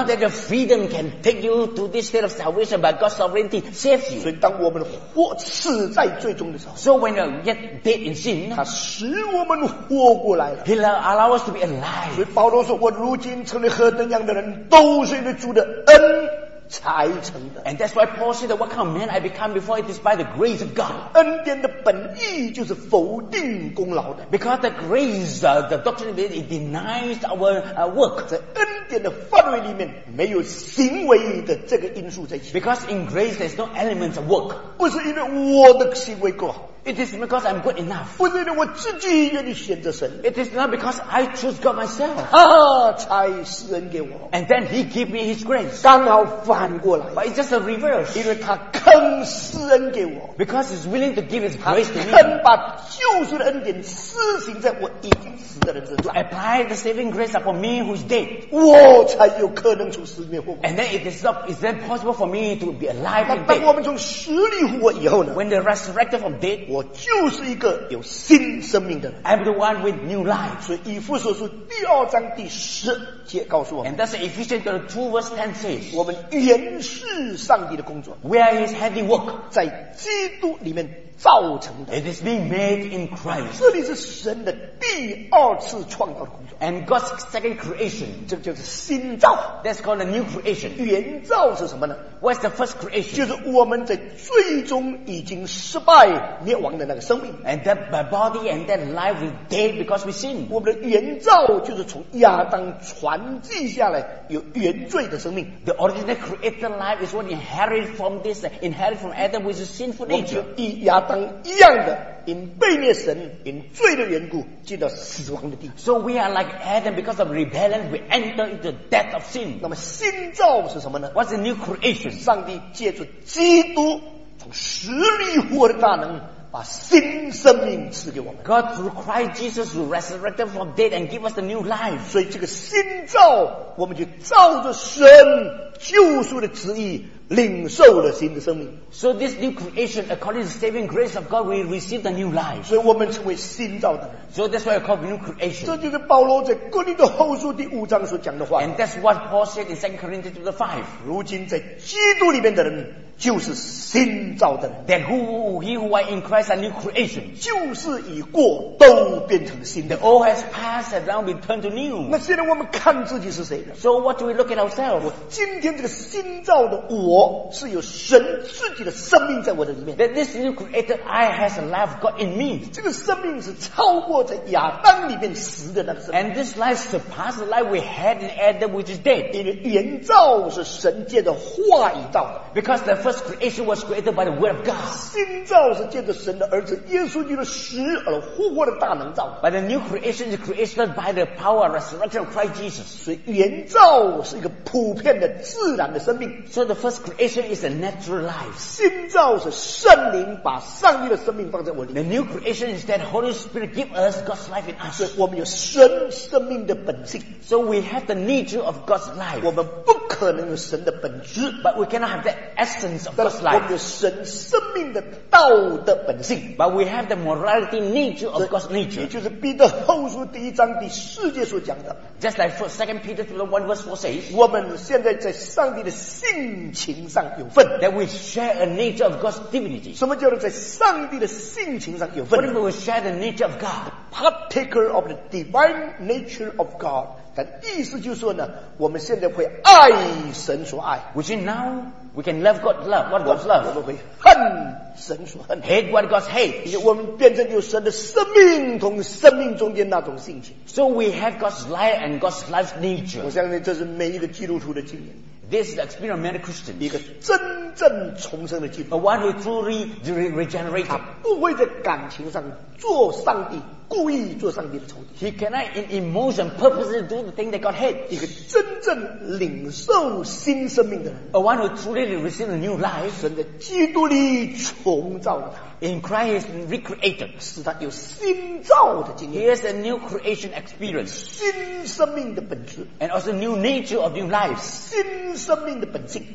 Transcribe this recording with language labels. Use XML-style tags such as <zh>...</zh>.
<en>Not that your freedom can take you to this state of salvation, but God's sovereignty saves you.</en> <zh>所以当我们活死在罪中的时候</zh> <en>，So when you yet dead in sin,</en> <zh>他使我们活过来了。</zh> <en>He allow us to be alive.</en> <zh>所以保罗说：“我如今成了何等样的人，都是因为主的恩才成的。”</zh> <en>And that's why Paul said, "What kind of man I become before it is by the grace of God."</en> <zh>恩典的本意就是否定功劳的。</zh> <en>Because the grace, the doctrine of it, it denies our work.</en> <zh>在恩典的范围里面没有行为的这个因素在其中。</zh> <en>Because in grace there's no element of work.</en> <zh>不是因为我的行为够好。</zh> <en>It is because I'm good enough.</en> <zh>不是因为我自己愿意选择神。</zh> <en>It is not because I choose God myself.</en> <zh>他才施恩给我。</zh> <en>And then He gave me His grace.</en> <zh>刚好反过来。</zh> <en>But it's just a reverse.</en> <zh>因为他肯施恩给我。</zh> <en>Because He's willing to give His grace to me.</en> <zh>肯把救赎的恩典施行在我已经死的人身上。</zh> <en>To apply the saving grace upon me who's dead.</en> <zh>我才有可能从死里面复活。</zh> <en>And then is that possible for me to be alive and dead?</en> <zh>当我们从死里复活以后呢？</zh> <en>When they're resurrected from dead.</en> <zh>我就是一个有新生命的人。</zh> <en>I'm the one with new life.</en> <zh>所以以弗所书第二章第十节告诉我们。</zh> <en>And that's Ephesians 2 verse 10 says.</en> <zh>我们原是上帝的工作。</zh> <en>We are His handiwork.</en> <zh>在基督里面造成的。</zh> <en>It is being made in Christ.</en> <zh>这里是神的第二次创造的工作。</zh> <en>And God's second creation.</en> <zh>这就是新造。</zh> <en>That's called a new creation.</en> <zh>原造是什么呢？</zh> <en>What's the first creation?</en> <zh>就是我们在最终已经失败灭亡的那个生命。</zh> <en>And that my body and that life is dead because we sin.</en> <zh>我们的原造就是从亚当传记下来有原罪的生命。</zh> <en>The original created life is what inherited from this, inherited from Adam with a sinful nature.</en> <zh>我们就以亚当一样的因背灭神因罪的缘故进到死亡的地。</zh> <en>So we are like Adam because of rebellion we enter into death of sin.</en> <zh>那么新造是什么呢？</zh> <en>What's the new creation?</en> <zh>上帝借助基督从死里活的大能把新生命赐给我们。</zh> <en>God through Christ Jesus who resurrected from dead and give us the new life.</en> <zh>所以这个新造我们就照着神救赎的旨意领受了新的生命。</zh> <en>So this new creation, according to the saving grace of God, we receive the new life.</en> <zh>所以我们成为新造的人。</zh> <en>So that's why we call new creation.</en> <zh>这就是保罗在哥林多后书第五章所讲的话。</zh> <en>And that's what Paul said in 2 Corinthians chapter 5.</en> <zh>如今在基督里面的人就是新造的人。</zh> <en>That he who are in Christ are new creation.</en> <zh>就是已过都变成新的。</zh> <en>The old has passed and now been turned to new.</en> <zh>那现在我们看自己是谁的？</zh> <en>So what do we look at ourselves?</en> <zh>我今天这个新造的我是有神自己的生命在我的里面。</zh> <en>That this new created I has a life of God in me.</en> <zh>这个生命是超过在亚当里面死的那个生命。</zh> <en>And this life surpasses the life we had in Adam which is dead.</en> <zh>因为原造是神借的话语造的。</zh> <en>Because the first creation was created by the word of God.</en> <zh>新造是借着神的儿子耶稣基督的死而复活的大能造。</zh> <en>But the new creation is created by the power of resurrection of Christ Jesus.</en> <zh>所以原造是一个普遍的自然的生命。</zh> <en>So the first creation is a natural life.</en> <zh>新造是圣灵把上帝的生命放在我里面。</zh> <en>The new creation is that Holy Spirit give us God's life in us.</en> <zh>所以我们有神生命的本性。</zh> <en>So we have the nature of God's life.</en> <zh>我们不可能有神的本质。</zh> <en>But we cannot have that essence of God's life.</en> <zh>我们有神生命的道德本性。</zh> <en>But we have the morality nature of God's nature.</en> <zh>也就是彼得后书第一章第四节所讲的。</zh> <en>Just like 2 Peter 1 verse 4 says,</en> <zh>我们现在在上帝的性情上有份。</zh> <en>That we share a nature of God's divinity.</en> <zh>什么叫做在上帝的性情上有份？</zh> <en>What if we share the nature of God? The partaker of the divine nature of God.</en> <zh>但意思就是说呢，我们现在会爱神所爱。</zh> <en>Which is now we can love God's love. What God's love?</en> <zh>我们会恨神所恨。</zh> <en>Hate what God hates.</en> <zh>因为我们变成有神的生命同生命中间那种性情。</zh> <en>So we have God's life and God's life's nature.</en> <zh>我相信这是每一个基督徒的经验。</zh> <en>This is the experience of many Christians.</en> <zh>一个真正重生的基督徒。</zh> <en>A one who truly regenerated.</en> <zh>他不会在感情上做上帝故意做上帝的仇敌。</zh> <en>He cannot in emotion purposely do the thing that God hates.</en> <zh>一个真正领受新生命的人</zh> <en>，a one who truly received a new life，</en> <zh>神在基督里重造了他。</zh> <en>In Christ recreated，</en> <zh>使他有新造的经验。</zh> <en>He has a new creation experience，</en> <zh>新生命的本质。</zh> <en>And also new nature of new life，</en> <zh>新生命的本性。</zh>